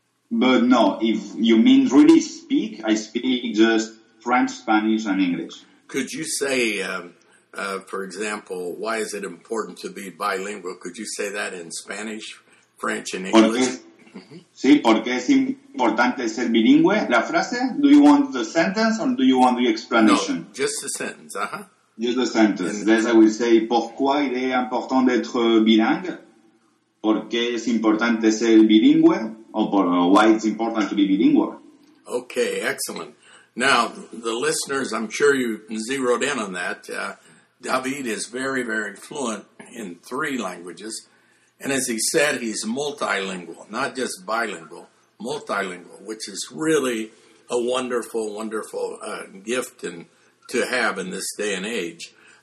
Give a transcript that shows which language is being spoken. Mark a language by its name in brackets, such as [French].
[English] But no, if you mean really speak, I speak just French, Spanish, and English. Could you say, for example, why is it important to be bilingual? Could you say that in Spanish, French, and English? [Spanish] Sí, porque es importante ser bilingüe. La frase, [English] do you want the sentence or do you want the explanation? No, just the sentence, Just the sentence. Then I will say, [French] pourquoi il est important d'être bilingue? [Spanish] ¿Por qué es importante ser bilingüe? [English] Or why it's important to be bilingüe? Okay, excellent. Now, the listeners, I'm sure you zeroed in on that. David is very, very fluent in three languages. And as he said, he's multilingual, not just bilingual, multilingual, which is really a wonderful, wonderful gift to have in this day and age.